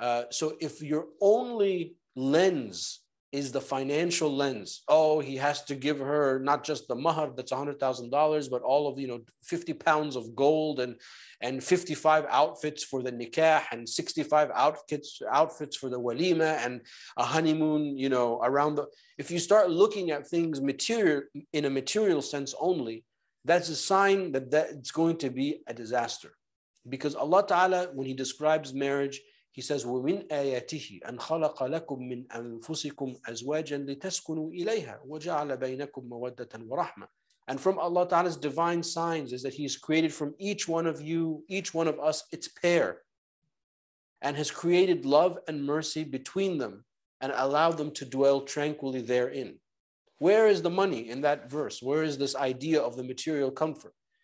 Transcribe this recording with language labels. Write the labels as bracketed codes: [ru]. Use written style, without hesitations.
[en] So if your only lens is the financial lens, oh, he has to give her not just the mahar that's $100,000, but all of, 50 pounds of gold and 55 outfits for the nikah and 65 outfits for the walima and a honeymoon, around the... If you start looking at things material in a material sense only, that's a sign that it's going to be a disaster. Because Allah Ta'ala, when He describes marriage, He says, [ar] وَمِنْ آيَاتِهِ أَنْ خَلَقَ لَكُمْ مِنْ أَنْفُسِكُمْ أَزْوَاجًا لِتَسْكُنُوا إِلَيْهَا وَجَعَلَ بَيْنَكُمْ مَوَدَّةً وَرَحْمَةً. [en] And from Allah Ta'ala's divine signs is that He has created from each one of you, each one of us, its pair, and has created love and mercy between them and allowed them to dwell tranquilly therein. Where is the money in that verse? Where is this idea of the material comfort?